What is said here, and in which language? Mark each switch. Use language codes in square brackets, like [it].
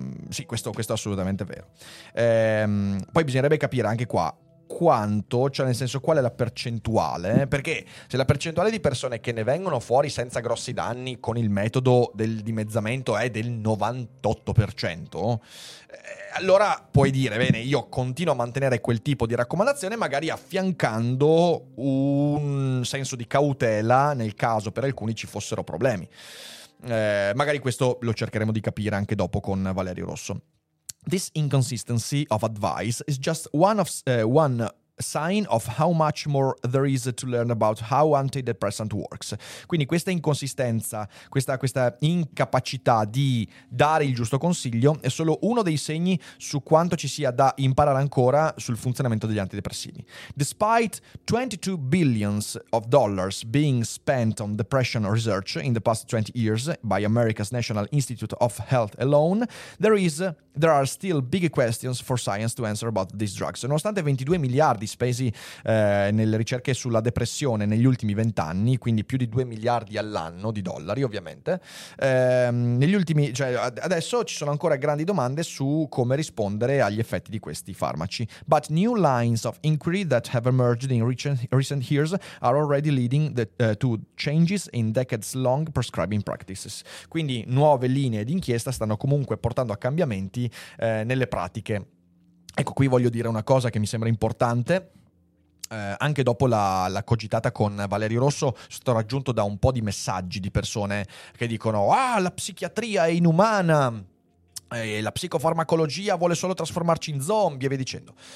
[it] Sì, questo è assolutamente vero. Poi bisognerebbe capire anche qua quanto, cioè nel senso qual è la percentuale, perché se la percentuale di persone che ne vengono fuori senza grossi danni con il metodo del dimezzamento è del 98%, allora puoi dire, bene, io continuo a mantenere quel tipo di raccomandazione, magari affiancando un senso di cautela nel caso per alcuni ci fossero problemi. Magari questo lo cercheremo di capire anche dopo con Valerio Rosso. [en] This inconsistency of advice is just one sign of how much more there is to learn about how antidepressant works. [it] Quindi questa inconsistenza, questa incapacità di dare il giusto consiglio è solo uno dei segni su quanto ci sia da imparare ancora sul funzionamento degli antidepressivi. [en] Despite $22 billion being spent on depression research in the past 20 years by America's National Institute of Health alone, there are still big questions for science to answer about these drugs. [it] Nonostante 22 miliardi spesi nelle ricerche sulla depressione negli ultimi 20 anni, quindi più di 2 miliardi all'anno di dollari ovviamente, adesso ci sono ancora grandi domande su come rispondere agli effetti di questi farmaci. [en] But new lines of inquiry that have emerged in recent years are already leading to changes in decades long prescribing practices. [it] Quindi nuove linee di inchiesta stanno comunque portando a cambiamenti nelle pratiche. Ecco, qui voglio dire una cosa che mi sembra importante, anche dopo la cogitata con Valerio Rosso sono raggiunto da un po' di messaggi di persone che dicono la psichiatria è inumana, la psicofarmacologia vuole solo trasformarci in zombie e via dicendo.